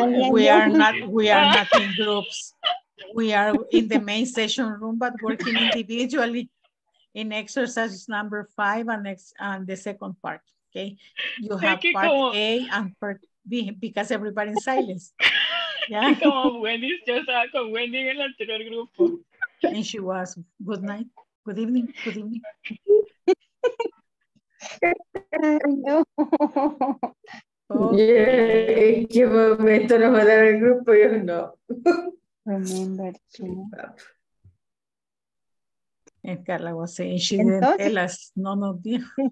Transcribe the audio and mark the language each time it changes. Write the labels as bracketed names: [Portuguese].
[English] We are not in groups. We are in the main session room, but working individually in exercise number 5 and the second part. Okay. You have part A and part B because everybody in silence. Yeah. [Spanish] Como Wendy, yo estaba con Wendy en el anterior grupo. [English] And she was, good night, good evening, good evening. No. Okay. [Spanish] Yeah, en qué momento nos va a dar el grupo, yo no. [English] Remember to. And Carla was saying, she didn't tell us, none of you.